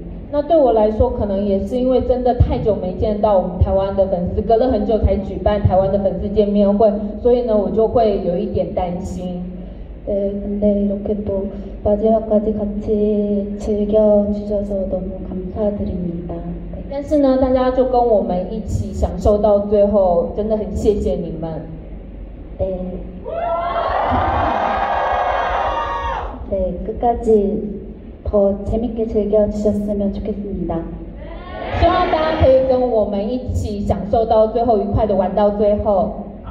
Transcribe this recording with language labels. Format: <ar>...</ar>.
<zh>那对我来说，可能也是因为真的太久没见到我们台湾的粉丝，隔了很久才举办台湾的粉丝见面会，所以呢，我就会有一点担心。</zh> <ko>네근데이렇게또마지막까지같이즐겨주셔서너무감사드립니다</ko> <zh>但是呢，大家就跟我们一起享受到最后，真的很谢谢你们。</zh> <ko>네끝까지더재밌게즐겨주셨으면좋겠습니다</ko> <zh>希望大家可以跟我们一起享受到最后愉快的玩到最后。</zh>